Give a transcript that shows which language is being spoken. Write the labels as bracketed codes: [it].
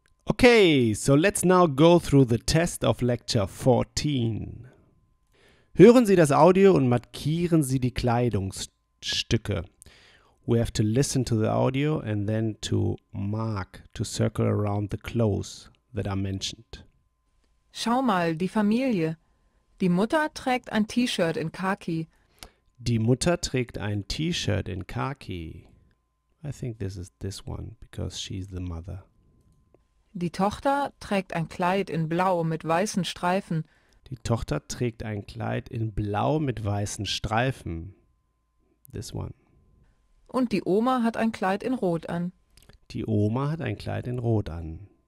[en] Okay, so let's now go through the test of lecture 14. [de] Hören Sie das Audio und markieren Sie die Kleidungsstücke. [en] We have to listen to the audio and then to mark, to circle around the clothes that are mentioned. [de] Schau mal, die Familie. Die Mutter trägt ein T-Shirt in Khaki. Die Mutter trägt ein T-Shirt in Khaki. [en] I think this is this one, because she's the mother. [de] Die Tochter trägt ein Kleid in Blau mit weißen Streifen. Die Tochter trägt ein Kleid in Blau mit weißen Streifen. [en] This one. [de] Und die Oma hat ein Kleid in Rot an. Die Oma hat ein Kleid in Rot an.